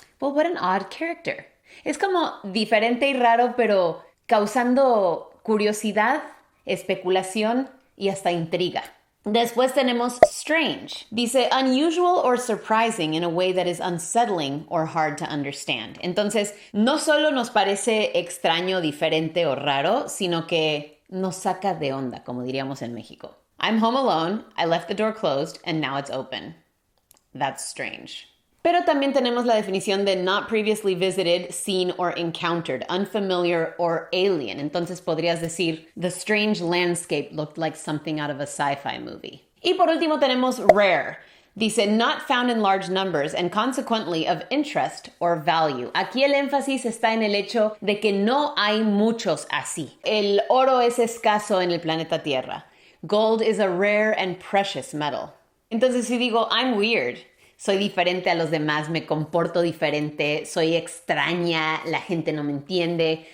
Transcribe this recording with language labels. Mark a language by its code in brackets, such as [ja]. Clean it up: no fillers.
[en] Well, what an odd character. [es] Es como diferente y raro, pero causando curiosidad, especulación y hasta intriga. Después tenemos strange. Dice, [en] unusual or surprising in a way that is unsettling or hard to understand. [es] Entonces, no solo nos parece extraño, diferente o raro, sino que nos saca de onda, como diríamos en México. [en] I'm home alone, I left the door closed, and now it's open. That's strange. [es] Pero también tenemos la definición de [en] not previously visited, seen, or encountered, unfamiliar, or alien. [es] Entonces podrías decir, [en] the strange landscape looked like something out of a sci-fi movie. [es] Y por último tenemos rare. [en] Dice, not found in large numbers, and consequently of interest or value. [es] Aquí el énfasis está en el hecho de que no hay muchos así. El oro es escaso en el planeta Tierra. [en] Gold is a rare and precious metal. [es] Entonces si digo, [en] I'm weird. [es] Soy diferente a los demás, me comporto diferente, soy extraña, la gente no me entiende.